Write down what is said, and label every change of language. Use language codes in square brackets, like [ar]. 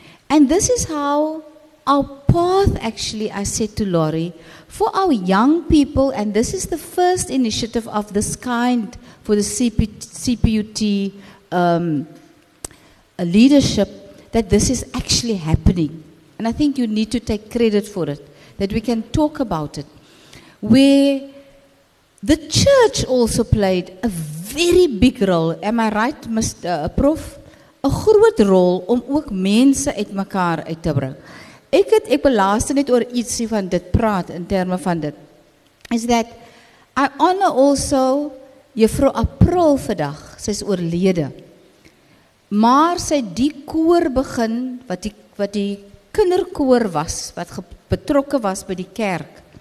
[en] And this is how our path, actually, I said to Laurie, for our young people, and this is the first initiative of this kind for the CPUT leadership, that this is actually happening. And I think you need to take credit for it, that we can talk about it. Where the church also played a very big role. Am I right, Mr. Prof? [af] A groot rol om ook mense uit mekaar uit te bring. Ek wil laas net oor ietsie van dit praat in terme van dit. [en] Is that I honor also Juffrou April vandag. [af] Sy is oorlede. Maar sy die koor begin wat die kinderkoor was, wat betrokke was by die kerk.